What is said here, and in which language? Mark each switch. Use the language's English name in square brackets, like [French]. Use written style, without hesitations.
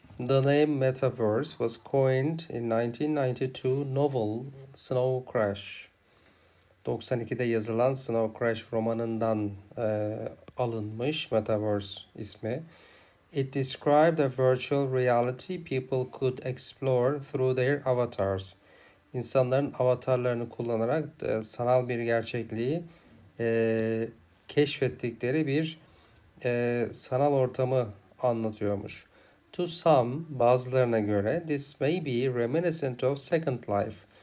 [English] The name Metaverse was coined in 1992 novel Snow Crash. [Turkish] 92'de yazılan Snow Crash romanından alınmış Metaverse ismi. [English] It described a virtual reality people could explore through their avatars. [Turkish] İnsanların avatarlarını kullanarak sanal bir gerçekliği keşfettikleri bir sanal ortamı anlatıyormuş. [English] To some, [Turkish] bazılarına göre, [English] this may be reminiscent of Second Life.